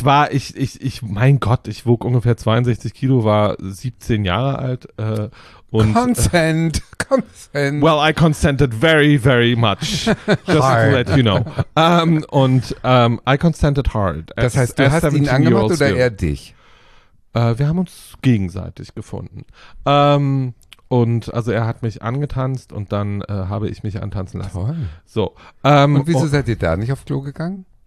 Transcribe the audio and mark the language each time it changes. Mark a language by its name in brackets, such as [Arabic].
[German] Ich wog ungefähr 62 Kilo, war 17 Jahre alt. [English] Consent. Well, I consented very, very much. Just hard. To let you know. I consented hard. [German] Das heißt, du hast ihn angemacht oder er dich? Wir haben uns gegenseitig gefunden. Und also er hat mich angetanzt und dann habe ich mich antanzen lassen. Toll. So. Und wieso seid ihr da nicht auf Klo gegangen?